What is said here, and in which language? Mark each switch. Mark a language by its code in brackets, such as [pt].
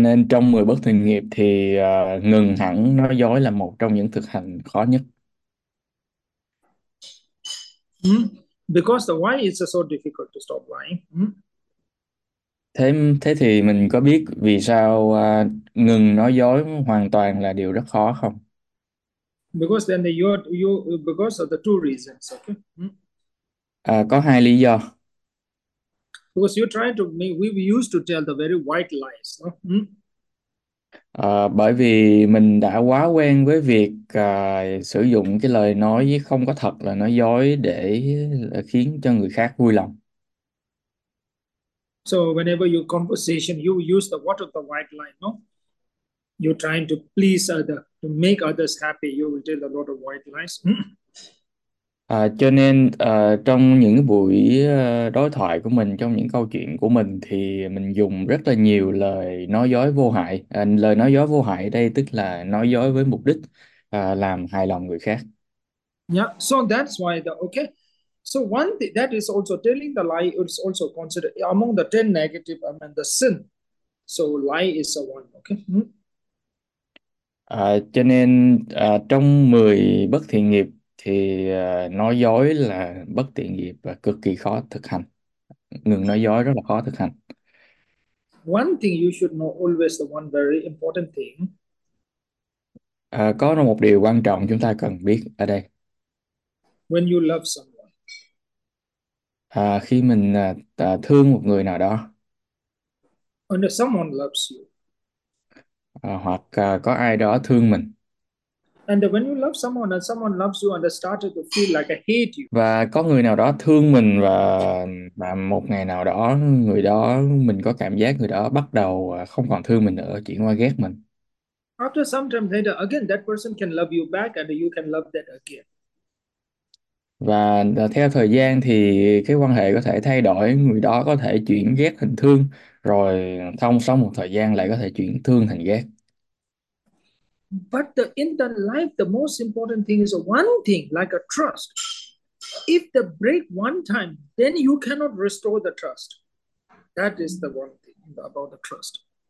[vi] trong 10 bất thiện nghiệp thì ngừng hẳn nói dối là một trong những thực hành khó nhất. [en] Because the why is so difficult to stop lying. [vi] Thế thì mình có biết vì sao ngừng nói dối hoàn toàn là điều rất khó không? [en] Because then the, you because of the two reasons, okay? [vi] Có hai lý do. [en] Because you're trying to make, we used to tell the very white lies, no? [vi] Bởi vì mình đã quá quen với việc sử dụng cái lời nói không có thật là nói dối để khiến cho người khác vui lòng. [en] So whenever your conversation, you use the what of the white line, no? You're trying to please other, to make others happy, you will tell a lot of white lies. [vi] Cho nên trong những buổi đối thoại của mình, trong những câu chuyện của mình thì mình dùng rất là nhiều lời nói dối vô hại. Lời nói dối vô hại đây tức là nói dối với mục đích làm hài lòng người khác. [en] So that's why the okay. So one thing that is also telling the lie is also considered among the 10 negative and the sin. So lie is the one, okay. [vi] Cho nên trong 10 bất thiện nghiệp thì nói dối là bất thiện nghiệp và cực kỳ khó thực hành. Ngừng nói dối rất là khó thực hành. [en] One thing you should know always the one very important thing. [vi] Có một điều quan trọng chúng ta cần biết ở đây. [en] When you love someone. [vi] Khi mình thương một người nào đó [en] When someone loves you. [vi] hoặc có ai đó thương mình [en] And when you love someone and someone loves you and they started to feel like I hate you. [vi] và có người nào đó thương mình và một ngày nào đó người đó mình có cảm giác người đó bắt đầu không còn thương mình nữa, chuyển qua ghét mình. [en] After some time later, again that person can love you back and you can love that again. [vi] Và theo thời gian thì cái quan hệ có thể thay đổi, người đó có thể chuyển ghét thành thương, rồi xong sau một thời gian lại có thể chuyển thương thành ghét. [en] But the, in the life, the most important thing is one thing, like a trust. If the break one time, then you cannot restore the trust. That is the one thing about the trust.